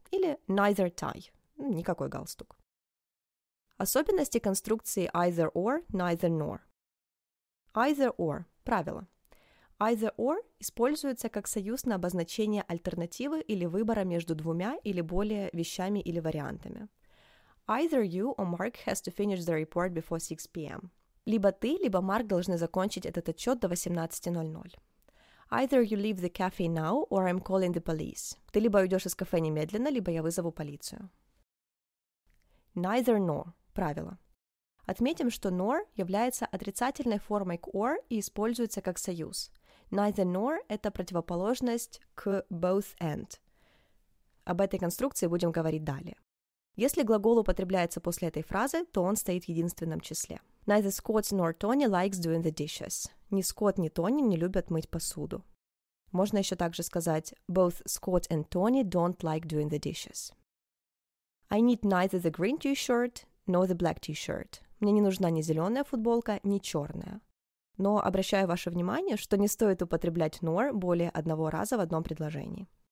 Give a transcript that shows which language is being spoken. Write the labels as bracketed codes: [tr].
[ru] Или neither tie. Никакой галстук. Особенности конструкции either or, neither nor. Either or. Правило. Either or используется как союз на обозначение альтернативы или выбора между двумя или более вещами или вариантами. [en] Either you or Mark has to finish the report before 6 p.m. [ru] Либо ты, либо Марк должны закончить этот отчет до 18:00. [en] Either you leave the cafe now or I'm calling the police. [ru] Ты либо уйдешь из кафе немедленно, либо я вызову полицию. Neither nor. Правило. Отметим, что nor является отрицательной формой к or и используется как союз. Neither nor – это противоположность к both and. Об этой конструкции будем говорить далее. Если глагол употребляется после этой фразы, то он стоит в единственном числе. [en] Neither Scott nor Tony likes doing the dishes. [ru] Ни Скотт, ни Тони не любят мыть посуду. Можно еще также сказать [en] both Scott and Tony don't like doing the dishes. I need neither the green t-shirt nor the black t-shirt. [ru] Мне не нужна ни зеленая футболка, ни черная. Но обращаю ваше внимание, что не стоит употреблять nor более одного раза в одном предложении.